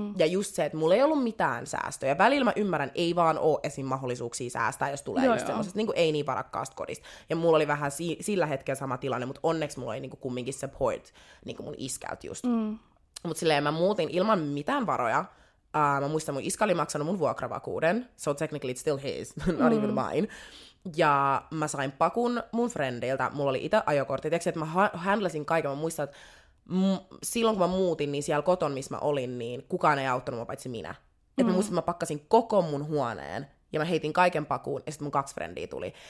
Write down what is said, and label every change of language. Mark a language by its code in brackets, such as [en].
[fi] Ja just se, että mulla ei ollut mitään säästöjä. Välillä mä ymmärrän, ei vaan oo esim. Mahdollisuuksia säästää, jos tulee just semmoisesta niin kuin ei niin varakkaasta kodista. Ja mulla oli vähän sillä hetkellä sama tilanne, mutta onneksi mulla oli niin kuin kumminkin support niin kuin mun iskältä just. Mutta silleen mä muutin ilman mitään varoja. Mä muistan, mun iska oli maksanut mun vuokravakuuden. [en] So technically it's still his, not even mine. [fi] Ja mä sain pakun mun frendiltä, mulla oli itse ajokortti, tiiäks, että mä handlasin kaiken, mä muistan, että silloin kun mä muutin, niin siellä koton, missä mä olin, niin kukaan ei auttanut mua paitsi minä. Mm. Että mä muistin, että mä pakkasin koko mun huoneen. Ja mä heitin kaiken pakuun, ja sitten mun kaksi frendiä tuli.